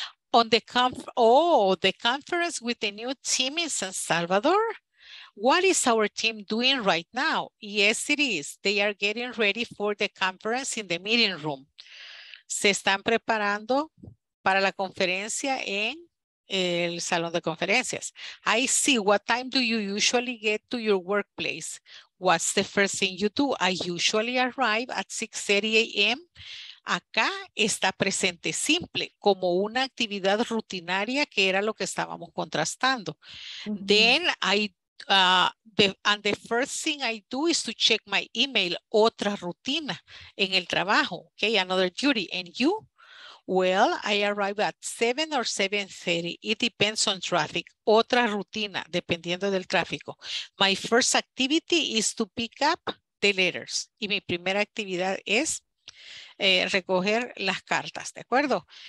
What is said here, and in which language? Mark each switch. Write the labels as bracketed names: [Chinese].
[English] On the the conference with the new team in San Salvador. What is our team doing right now? Yes, it is. They are getting ready for the conference in the meeting room. [Spanish] Se están preparando para la conferencia en el salón de conferencias. [English] I see. What time do you usually get to your workplace? What's the first thing you do? I usually arrive at 6:30 a.m. [Spanish] Acá está presente simple, como una actividad rutinaria que era lo que estábamos contrastando. [English] Then the first thing I do is to check my email, [Spanish] otra rutina en el trabajo. [English] Okay, another duty. And you? Well, I arrive at 7 or 7:30. It depends on traffic. [Spanish] Otra rutina, dependiendo del tráfico. [English] My first activity is to pick up the letters. [Spanish] Y mi primera actividad es recoger las cartas, ¿de acuerdo?